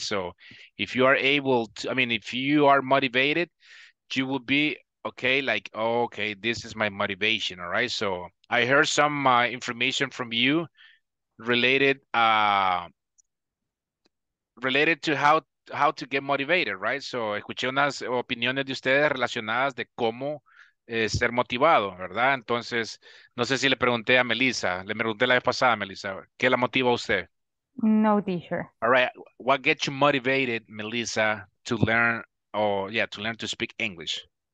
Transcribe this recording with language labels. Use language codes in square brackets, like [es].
[en] So if you are able to, I mean, if you are motivated, you will be okay, like, oh, okay, this is my motivation, all right? So I heard some information from you related to how to get motivated, right? [es] So escuché unas opiniones de ustedes relacionadas de cómo ser motivado, ¿verdad? Entonces, no sé si le pregunté a Melissa, le pregunté la vez pasada a Melissa, ¿qué la motiva a usted? [en] No, teacher. All right, what gets you motivated, Melissa, to learn to learn to speak English?